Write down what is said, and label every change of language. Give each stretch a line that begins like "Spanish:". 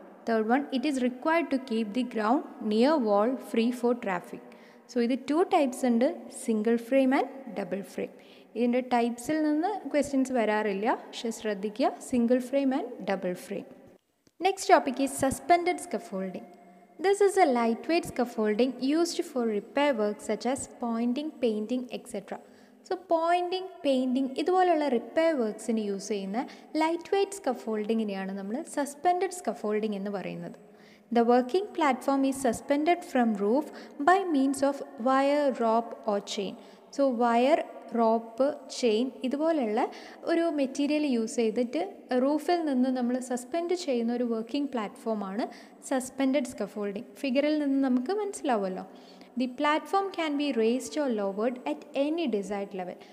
English: Third one, it is required to keep the ground near wall free for traffic.
Malayalam: So ഇത് 2 types ഉണ്ട്, single frame and double frame. ഇതിൻ്റെ ടൈപ്സിൽ നിന്ന് questions വരാറില്ല, പക്ഷെ ശ്രദ്ധിക്കുക, single frame and double frame.
English: Next topic is suspended scaffolding. This is a lightweight scaffolding used for repair work such as pointing, painting, etc.
Malayalam: So pointing, painting, ഇതുപോലുള്ള repair works ഇനി use ചെയ്യുന്ന lightweight scaffolding ഇനിയാണ് നമ്മൾ suspended scaffolding എന്ന് പറയുന്നത്.
English: The working platform is suspended from roof by means of wire, rope or chain.
Malayalam: So wire, rope, chain ഇതുപോലെയുള്ള ഒരു material use ചെയ്തിട്ട് റൂഫിൽ നിന്ന് നമ്മൾ സസ്പെൻഡ് ചെയ്യുന്ന ഒരു വർക്കിംഗ് പ്ലാറ്റ്ഫോമാണ് സസ്പെൻഡഡ് സ്കഫോൾഡിങ്. ഫിഗറിൽ നിന്ന് നമുക്ക് മനസ്സിലാവുമല്ലോ.
English: The platform can be raised or lowered at any decide level.